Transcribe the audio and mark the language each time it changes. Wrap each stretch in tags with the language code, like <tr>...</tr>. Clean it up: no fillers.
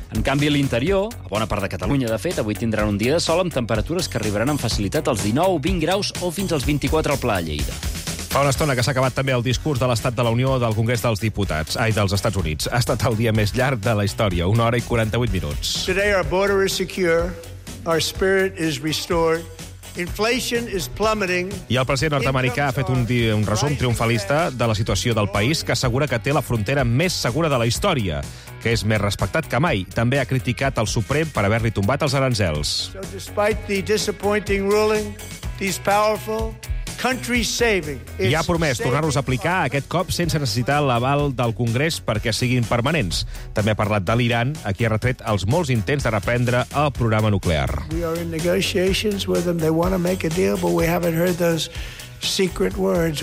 <ca>En canvi, a l'interior, a bona part de Catalunya, de fet, avui tindran un dia de sol amb temperatures que arribaran amb facilitat als 19, 20 graus o fins als 24 al Pla de Lleida. Fa una estona que s'ha acabat també el discurs de l'Estat de la Unió del Congrés dels Diputats, ai, dels Estats Units. Ha estat el dia més llarg de la història, 1 hora i 48 minuts.</ca> <en>Today our border is secure, our spirit is restored. Inflation is plummeting.</en> <ca>I el president nord-americà ha fet un resum triomfalista de la situació del país, que assegura que té la frontera més segura de la història, que és més respectat que mai. També ha criticat el Suprem per haver-li tombat els aranzels.</ca> <en>So despite the disappointing ruling, these powerful...</en> <ca>I ha promès tornar-los a aplicar, aquest cop sense necessitar l'aval del Congrés perquè siguin permanents. També ha parlat de l'Iran, a qui ha retret els molts intents de reprendre el programa nuclear.</ca> <en>We are in negotiations with them. They want to make a deal, but we haven't heard those secret words.</en>